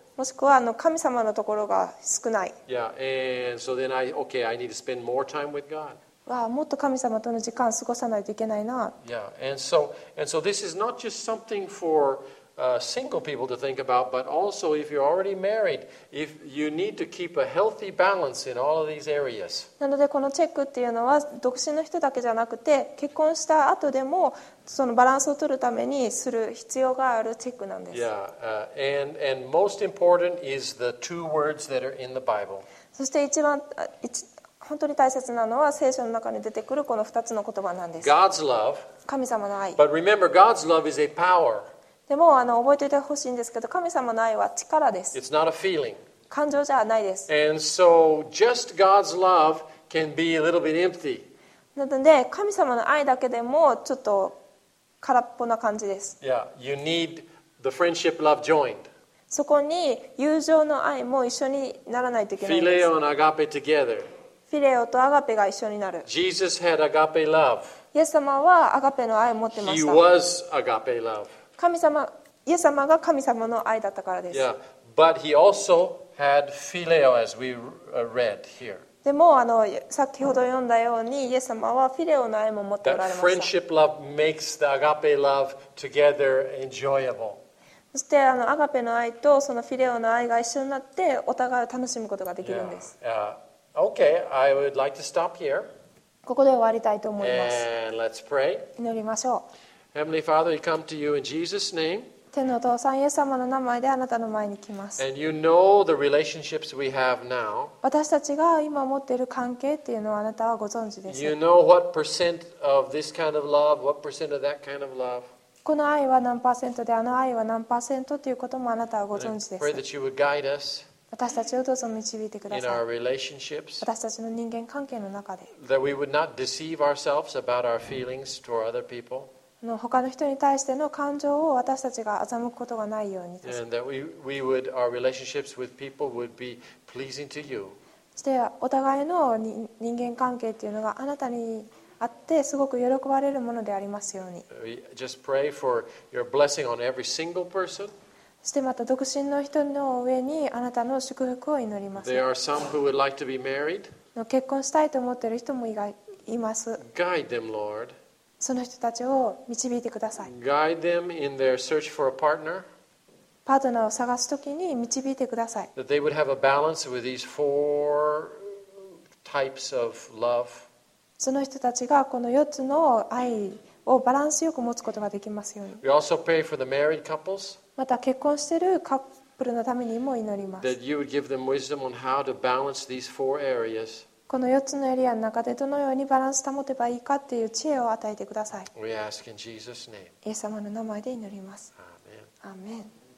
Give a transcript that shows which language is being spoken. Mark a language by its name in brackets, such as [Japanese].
[Japanese] もしくはあの神様のところが少ない。 [English] Yeah, and so then I okay, I need to spend more time with God. [Japanese] わあ、もっと神様との時間を過ごさないといけないな。 [English] Yeah, and so this is not just something for. Single people to think about, but also if you're already married, if you need to keep a healthy balance in all of these areas. [Japanese] なのでこのチェックっていうのは独身の人だけじゃなくて結婚した後でもそのバランスを取るためにする必要があるチェックなんです。 [English] Yeah, and most important is the two words that are in the Bible. [Japanese] そして一番本当に大切なのは聖書の中に出てくるこの二つの言葉なんです。 [English] God's love. [Japanese] 神様の愛。 [English] But remember, God's love is a power. [Japanese] でもあの覚えておいてほしいんですけど神様の愛は力です。 [English] It's not a feeling. [Japanese] 感情じゃないです。 [English] And so just God's love can be a little bit empty. [Japanese] なので神様の愛だけでもちょっと空っぽな感じです。 [English] Yeah, you need the friendship love joined. [Japanese] そこに友情の愛も一緒にならないといけないです。 [English] Phileo and agape together. [Japanese] フィレオとアガペが一緒になる。 [English] Jesus had agape love. [Japanese] イエス様はアガペの愛を持ってました。 [English] He was agape love. [Japanese] 神様、イエス様が神様の愛だったからです。 [English] Yeah, but he also had phileo as we read here. [Japanese] でもあの先ほど読んだようにイエス様はフィレオの愛も持っておられました。 [English] That friendship love makes the agape love together enjoyable. [Japanese] そしてあのアガペの愛とそのフィレオの愛が一緒になってお互いを楽しむことができるんです。 [English] Yeah. Okay, I would like to stop here. [Japanese] ここで終わりたいと思います。 [English] And let's pray. [Japanese] 祈りましょう。 [English] Heavenly Father, we come to you in Jesus' name. [Japanese] 天のお父さん、イエス様の名前であなたの前に来ます。 [English] And you know the relationships we have now. [Japanese] 私たちが今持っている関係っていうのをあなたはご存知です。 [English] You know what percent of this kind of love, what percent of that kind of love. [Japanese] この愛は何パーセントで、あの愛は何パーセントということもあなたはご存知です。 [English] I pray that you would guide us. [Japanese] 私たちをどうぞ導いてください。 [English] In our relationships. [Japanese] 私たちの人間関係の中で。 [English] That we would not deceive ourselves about our feelings toward other people. [Japanese] 他の人に対しての感情を私たちが欺くことがないように。 [English] And that we would, our relationships with people would be pleasing to you. [Japanese] そしてお互いの人間関係というのがあなたにあってすごく喜ばれるものでありますように。 [English] We just pray for your blessing on every single person. [Japanese] そしてまた独身の人の上にあなたの祝福を祈ります。 [English] There are some who would like to be married. [Japanese] 結婚したいと思っている人もいます。 [English] Guide them, Lord. [Japanese] その人たちを導いてください。 [English] Guide them in their search for a partner. [Japanese] パートナーを探すときに導いてください。 [English] That they would have a balance with these four types of love. [Japanese] その人たちがこの4つの愛をバランスよく持つことができますように。 [English] We also pray for the married couples. [Japanese] また結婚しているカップルのためにも祈ります。 [English] That you would give them wisdom on how to balance these four areas. [Japanese] この4つのエリアの中でどのようにバランスを保てばいいかっていう知恵を与えてください。イエス様の名前で祈ります。アーメン。アーメン。